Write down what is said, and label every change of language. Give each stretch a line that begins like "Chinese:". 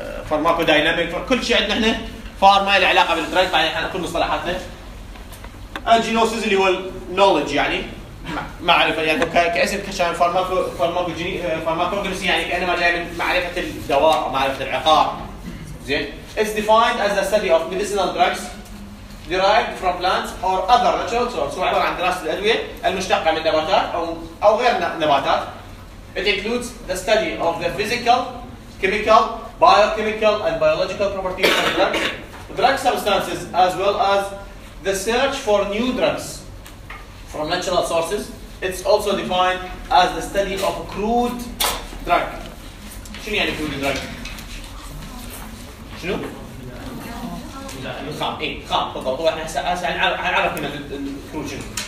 Arabic: فارماكو داينامك كل شيء عندنا احنا فارما له علاقه بالدراج بعدين احنا كل مصطلحاتنا الجينوسيس اللي هو النولج يعني معرفه يعني كاسم كشان فارماكوجينيسي يعني كانما جاي من معرفه الدواء معرفه العقار زين
English: It's defined as the study of medicinal drugs derived from plants or other natural sources.
Arabic: سواء عبارة عن دراسة الأدوية المشتقة من نباتات أو غير نباتات.
English: It includes the study of the physical, chemical, biochemical and biological properties of drugs, drug substances as well as the search for new drugs from natural sources. It's also defined as the study of crude drug.
Arabic: شنو يعني crude drug؟ شنو؟ خام بالضبط واحنا هسه هنعرف كلمه الكروجن.